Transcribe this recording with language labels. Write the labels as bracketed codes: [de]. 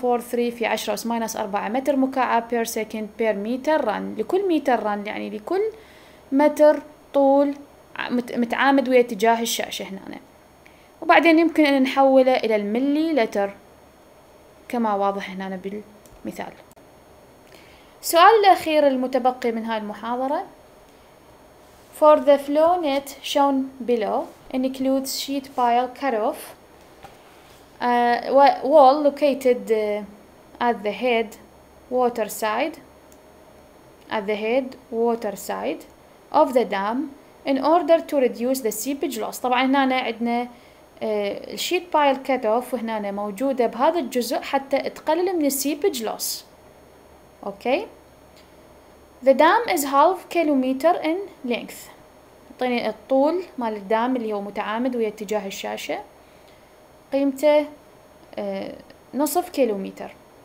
[ar] في 10 أس ماينس 4 متر مكعب per second per meter run لكل متر run يعني لكل متر طول متعامد ويا اتجاه الشاشة هنا وبعدين يمكن أن نحوله إلى الملي لتر كما واضح هنا بالمثال. سؤال الأخير المتبقي من هذه المحاضرة. [en] For the flow net shown below includes sheet pile cut off wall located at the head water side of the dam in order to reduce the seepage loss. [ar] طبعا هنا عندنا الشيت بايل كات اوف وهنا موجوده بهذا الجزء حتى تقلل من السيبج لوس. اوكي ذا دام از هالف كيلومتر ان لينث اعطيني الطول مال الدام اللي هو متعامد ويا اتجاه الشاشه قيمته نصف كيلومتر.